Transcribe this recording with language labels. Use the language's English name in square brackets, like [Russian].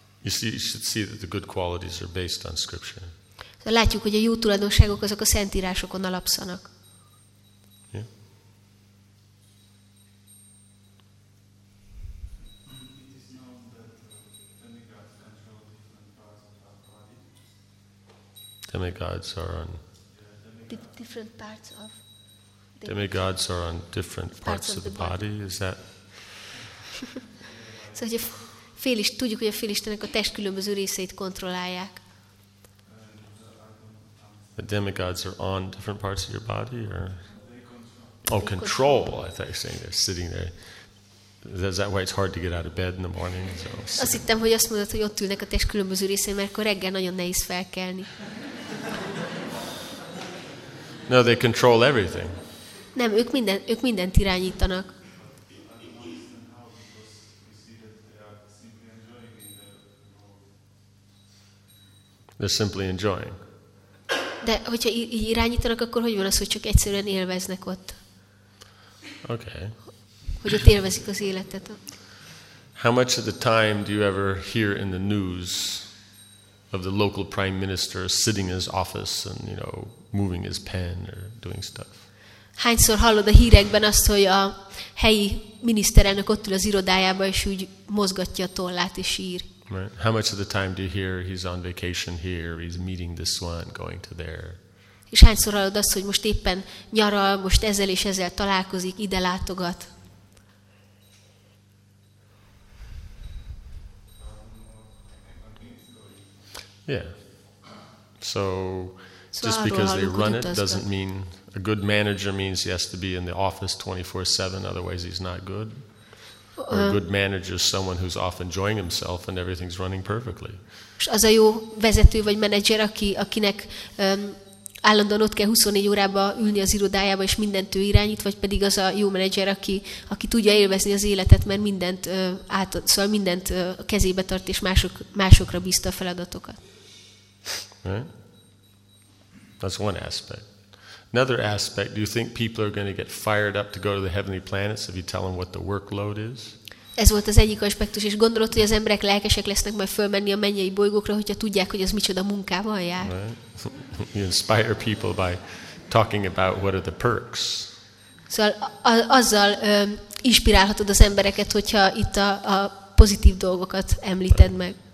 [English] You should see that the good qualities are based on scripture. [Hungarian] De látjuk, hogy a jó tulajdonságok azok a szentírásokon alapszanak. [English] Demigods are on different parts of. Demigods are on different parts of the body. Is that? [Hungarian] So, hogy a félist, tudjuk, hogy a félistenek a test különböző részeit kontrollálják. [English] The demigods are on different parts of your body, or control. I thought you were saying they're sitting there. Is that why it's hard to get out of bed in the morning? So, [Hungarian] azt hittem, hogy azt mondod, hogy ott ülnek a test különböző részén, mert akkor reggel nagyon nehéz felkelni. [English] No, they control everything. [Hungarian] Nem, ők mindent irányítanak. [English] They're simply enjoying. [Hungarian] De hogyha így irányítanak, akkor hogy van az, hogy csak egyszerűen élveznek ott? [English] Okay. [Hungarian] Hogy ott élvezik az életet. [English] How much of the time do you ever hear in the news of the local prime minister sitting in his office and, you know, moving his pen or doing stuff? [Hungarian] Hányszor hallod a hírekben azt, hogy a helyi miniszterelnök ott ül az irodájába, és úgy mozgatja a tollát és ír? [English] Right. How much of the time do you hear he's on vacation here, he's meeting this one, going to there? [Hungarian] És hányszor hallod azt, hogy most éppen nyaral, most ezzel és ezzel találkozik, ide látogat? [English] Yeah. So just because they run it doesn't mean a good manager means he has to be in the office 24/7, otherwise he's not good. Or a good manager is someone who's off enjoying himself and everything's running perfectly. [Hungarian] És az a jó vezető vagy menedzser, akinek állandóan ott kell 24 órába ülni az irodájába és mindent ő irányít, vagy pedig az a jó menedzser, aki tudja élvezni az életet, mert mindent szóval mindent kezébe tart és másokra bízta a feladatokat. [English] Right? That's one aspect. Another aspect, do you think people are going to get fired up to go to the heavenly planets if you tell them what the workload is? [Hungarian] Ez volt az egyik aspektus, és gondolod, hogy az emberek lelkesek lesznek majd fölmenni a mennyei bolygókra, hogyha tudják, hogy ez micsoda munkával jár. [English] Right. You inspire people by talking about what are the perks. [Hungarian] Szóval azzal inspirálhatod az embereket, hogyha itt a pozitív dolgokat említed meg.